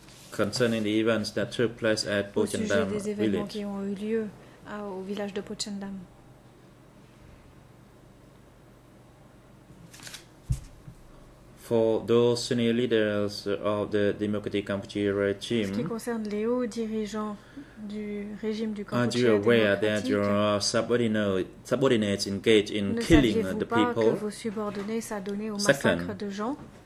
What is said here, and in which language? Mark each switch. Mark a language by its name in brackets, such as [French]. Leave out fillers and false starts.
[English] Concerning the events that took place at Pochendam village. [French] Qui ont eu lieu au village de Pochendam. [English] For those senior leaders of the Democratic Kampuchea regime, [French] qui concerne les hauts dirigeants du régime du [English] Kampuchea, are you aware that your subordinates engaged in killing the people? [French] Ne saviez-vous pas que vos subordonnés s'adonnaient au massacre de gens?